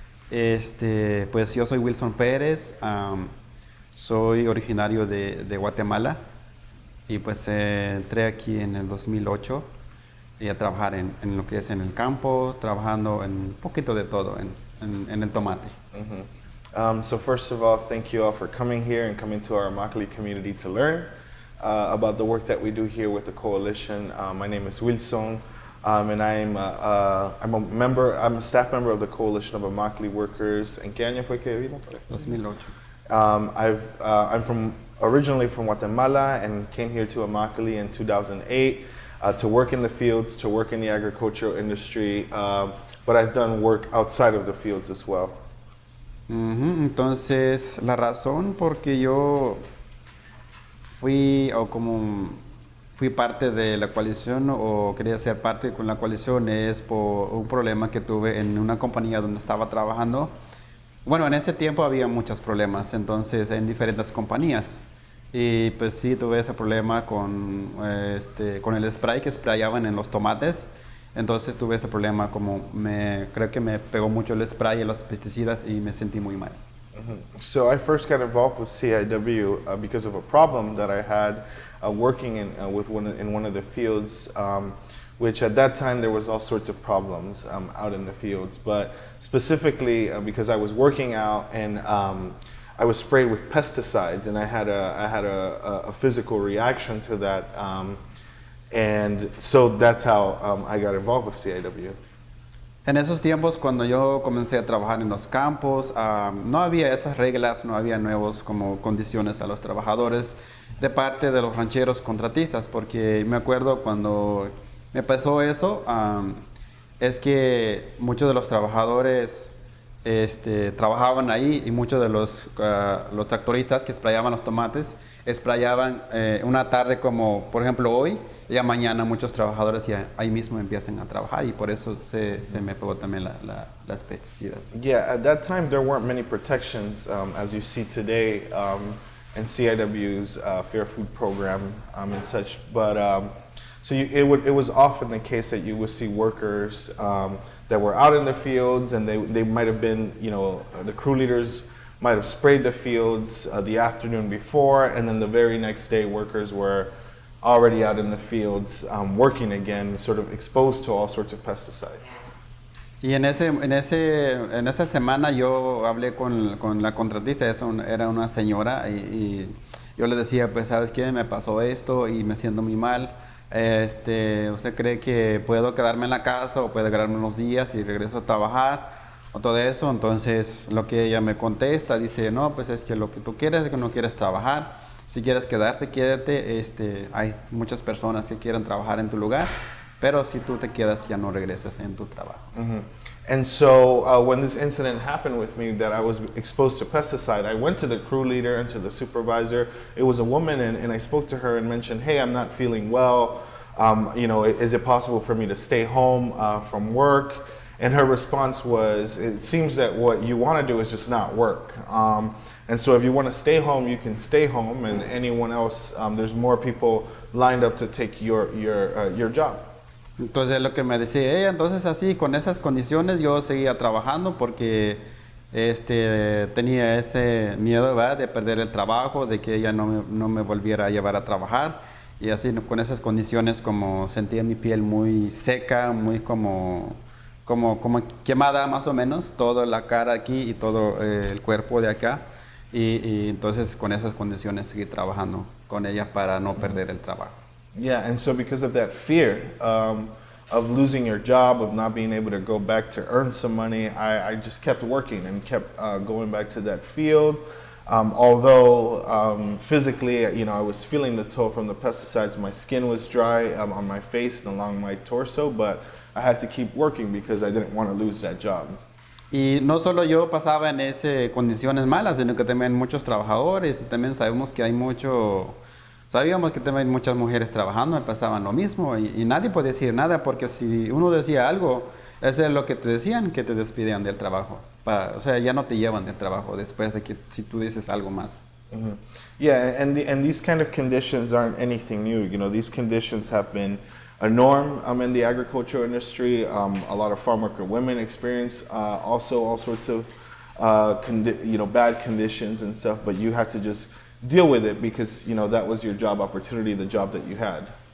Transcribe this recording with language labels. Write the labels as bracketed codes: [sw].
[es] Pues yo soy Wilson Pérez, soy originario de Guatemala y pues entré aquí en el 2008 y a trabajar en lo que es en el campo, trabajando en un poquito de todo, en el tomate. [en] So first of all, thank you all for coming here and coming to our Immokalee community to learn about the work that we do here with the coalition. My name is Wilson, and I'm a member, I'm a staff member of the Coalition of Immokalee Workers. [es] ¿En qué año fue que vino? 2008. [en] I'm from originally from Guatemala and came here to Immokalee in 2008 to work in the fields, to work in the agricultural industry, but I've done work outside of the fields as well. [es] Entonces, la razón porque yo fui o como fui parte de la coalición o quería ser parte con la coalición es por un problema que tuve en una compañía donde estaba trabajando. Bueno, en ese tiempo había muchos problemas, entonces en diferentes compañías. Y pues sí, tuve ese problema con el spray que sprayaban en los tomates. Entonces tuve ese problema, creo que me pegó mucho el spray y los pesticidas y me sentí muy mal. [en] So I first got involved with CIW because of a problem that I had working in one of the fields, which at that time there was all sorts of problems out in the fields. But specifically because I was working out and I was sprayed with pesticides and I had a physical reaction to that, and so that's how I got involved with CIW. [es] En esos tiempos, cuando yo comencé a trabajar en los campos, no había esas reglas, no había nuevos como condiciones a los trabajadores de parte de los rancheros contratistas, porque me acuerdo cuando me pasó eso, es que muchos de los trabajadores trabajaban ahí y muchos de los tractoristas que sprayaban los tomates, sprayaban una tarde como, por ejemplo, hoy. Ya mañana muchos trabajadores ya ahí mismo empiezan a trabajar y por eso se me pegó también las pesticidas. [en] Yeah, at that time there weren't many protections as you see today in CIW's Fair Food Program and such. But so it was often the case that you would see workers that were out in the fields and they might have been, the crew leaders might have sprayed the fields the afternoon before, and then the very next day workers were already out in the fields working again, sort of exposed to all sorts of pesticides. [es] Y en esa semana yo hablé con la contratista, era una señora, y yo le decía, pues, ¿sabes qué? Me pasó esto y me siento muy mal. ¿Usted cree que puedo quedarme en la casa o puedo quedarme unos días y regreso a trabajar o todo eso? Entonces, lo que ella me contesta, dice, no, pues es que lo que tú quieres es que no quieres trabajar. Si quieres quedarte, quédate. Hay muchas personas que quieren trabajar en tu lugar, pero si tú te quedas, ya no regresas en tu trabajo. [en] And so when this incident happened with me that I was exposed to pesticide, I went to the crew leader and to the supervisor. It was a woman, and I spoke to her and mentioned, hey, I'm not feeling well. Is it possible for me to stay home from work? And her response was, it seems that what you want to do is just not work. And so if you want to stay home, you can stay home, and anyone else, there's more people lined up to take your job. [es] Entonces lo que me decía, entonces así, con esas condiciones yo seguía trabajando porque tenía ese miedo, ¿verdad? De perder el trabajo, de que ella no me volviera a llevar a trabajar. Y así, con esas condiciones, como sentía mi piel muy seca, muy como quemada más o menos, toda la cara aquí y todo el cuerpo de acá. Y entonces con esas condiciones seguí trabajando con ella para no perder el trabajo. [en] Yeah, and so because of that fear of losing your job, of not being able to go back to earn some money, I just kept working and kept going back to that field. Although physically, I was feeling the toll from the pesticides, my skin was dry on my face and along my torso, but I had to keep working because I didn't want to lose that job. [es] Y no solo yo pasaba en esas condiciones malas, sino que también muchos trabajadores, y también sabíamos que también muchas mujeres trabajando pasaban lo mismo, y nadie podía decir nada, porque si uno decía algo, eso es lo que te decían, que te despidían del trabajo. O sea, ya no te llevan del trabajo después de que si tú dices algo más. [en] Yeah, and these kind of conditions aren't anything new. You know, these conditions have been a norm in the agricultural industry. A lot of farm worker women experience also all sorts of bad conditions and stuff, but you had to just deal with it because, you know, that was your job opportunity, the job that you had.